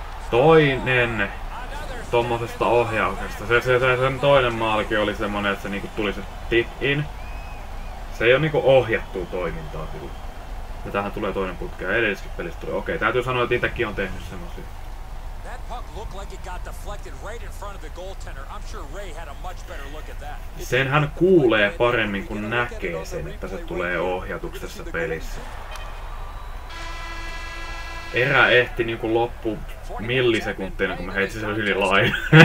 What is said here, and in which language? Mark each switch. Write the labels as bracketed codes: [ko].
[fi] Toinen tommosesta ohjauksesta. Sen toinen maalikin oli semmonen, että se niinku tuli se tip in. Se ei oo niinku ohjattua toimintaa sillä. Ja tähän tulee toinen putki ja edelliskin pelissä tuli. Okei, täytyy sanoa, että itekin on tehnyt semmosia. [en] That puck looked like it got deflected right in front of the goaltender. I'm sure Ray had a much better look at that. [fi] Sen hän kuulee paremmin kuin näkee sen, että se tulee ohjatuksi tässä pelissä. Erä ehti niinku loppu millisekuntina, kun mä heitsin sen yli lain.